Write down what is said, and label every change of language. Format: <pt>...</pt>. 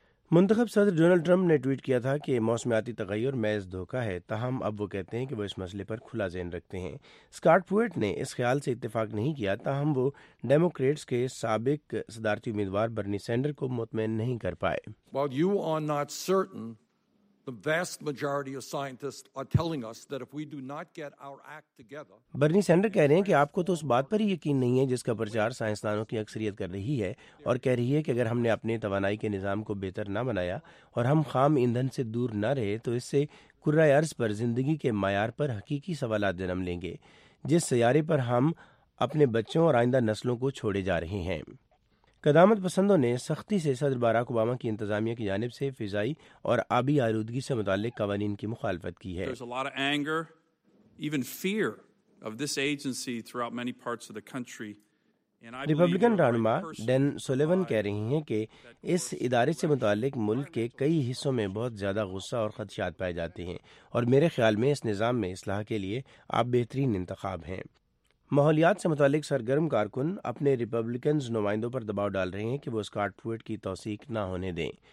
<ur>منتخب صدر Donald Trump نے ٹویٹ کیا تھا کہ موسمیاتی تغیر محض دھوکہ ہے, تاہم اب وہ کہتے ہیں کہ وہ اس مسئلے پر کھلا ذہن رکھتے ہیں. اسکاٹ پرویٹ نے اس خیال سے اتفاق نہیں کیا, تاہم وہ ڈیموکریٹس کے سابق صدارتی امیدوار برنی سینڈر کو مطمئن نہیں کر پائے.</ur> <en>While you are not certain, the vast majority of scientists are telling us that if we do not get our act together.</en> <ur>Bernie sender کہہ رہے ہیں کہ آپ کو تو اس بات پر ہی یقین نہیں ہے جس کا پرچار سائنسدانوں کی اکثریت کر رہی ہے, اور کہہ رہی ہے کہ اگر ہم نے اپنے توانائی کے نظام کو بہتر نہ بنایا اور ہم خام ایندھن سے دور نہ رہے تو اس سے کرہ ارض پر زندگی کے معیار پر حقیقی سوالات جنم لیں گے, جس سیارے پر ہم اپنے بچوں اور آئندہ نسلوں کو چھوڑے جا رہے ہیں. قدامت پسندوں نے سختی سے صدر باراک اوباما کی انتظامیہ کی جانب سے فضائی اور آبی آلودگی سے متعلق قوانین کی مخالفت کی ہے.</ur> <en>There's a lot of anger, even fear of this agency throughout many parts of the country.</en> <ur>Republican رہنما ڈین سولیون کہہ رہی ہیں کہ اس ادارے سے متعلق ملک کے کئی حصوں میں بہت زیادہ غصہ اور خدشات پائے جاتے ہیں, اور میرے خیال میں اس نظام میں اصلاح کے لیے آپ بہترین انتخاب ہیں. ماحولیات سے متعلق سرگرم کارکن اپنے ریپبلکنز نمائندوں پر دباؤ ڈال رہے ہیں کہ وہ اسکاٹ پرویٹ کی توثیق نہ ہونے دیں.</ur>